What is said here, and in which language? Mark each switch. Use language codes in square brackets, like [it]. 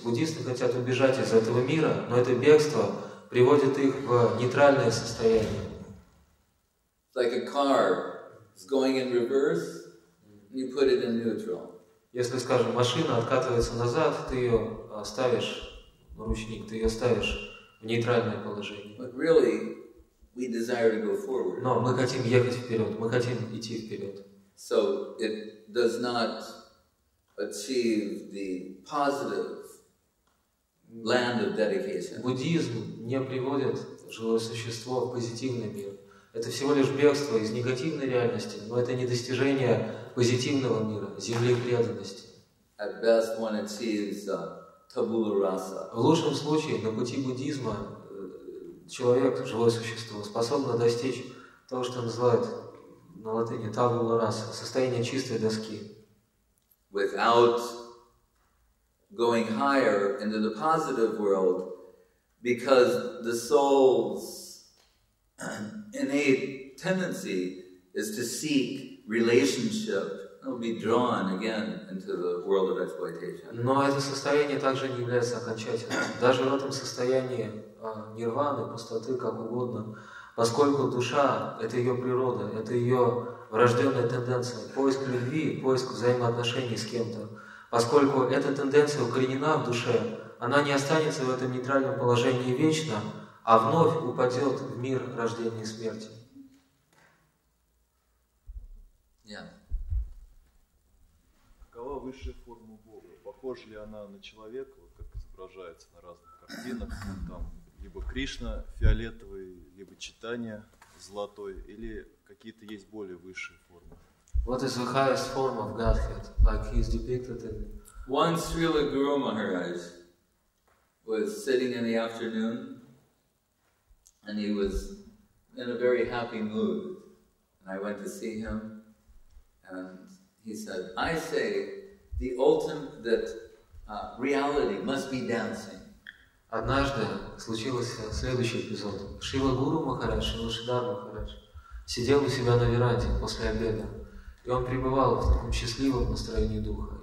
[ru] Буддисты хотят убежать из этого мира, но это бегство приводит их в нейтральное состояние. [en] Like a car is going in reverse, and you put it in neutral. [ru] Если, скажем, машина откатывается назад, ты ее ставишь в ручник, ты ее ставишь в нейтральное положение. [en] But really, We desire to go forward. [ru] Но мы хотим ехать вперед. Мы хотим идти вперед. [en] So it does not achieve the positive land of dedication. [ru] Буддизм не приводит живое существо в позитивный мир. Это всего лишь бегство из негативной реальности, но это не достижение позитивного мира, земли преданности. [en] At best, one achieves tabula rasa. [ru] В лучшем случае, на пути буддизма человек, живое существо, способно достичь того, что называют на латыни tabula rasa, состояние чистой доски. [en] Without going higher into the positive world, because the soul's innate tendency is to seek relationship, it'll be drawn again into the world of exploitation. [ru] Но это состояние также не является окончательным. Даже в этом состоянии нирваны, пустоты, как угодно, поскольку душа — это ее природа, это ее врожденная тенденция, поиск любви, поиск взаимоотношений с кем-то, поскольку эта тенденция укоренена в душе, она не останется в этом нейтральном положении вечно, а вновь упадет в мир рождения и смерти. Какова высшая форма Бога? Похожа ли она на человека, как изображается на разных картинах? Там либо Кришна фиолетовый, либо Читания золотой, или какие-то есть более высшие формы? [en] What is the highest form of Godhead, like he is depicted in? Once Srila Guru Maharaj was sitting in the afternoon, and he was in a very happy mood. And I went to see him, and he said, "I say the ultimate that reality must be dancing." [ru] Однажды случился следующий эпизод. Шрила Гуру Махарадж, Шрила Шридхар Махарадж, сидел у себя на веранде после обеда, и он пребывал в таком счастливом настроении духа.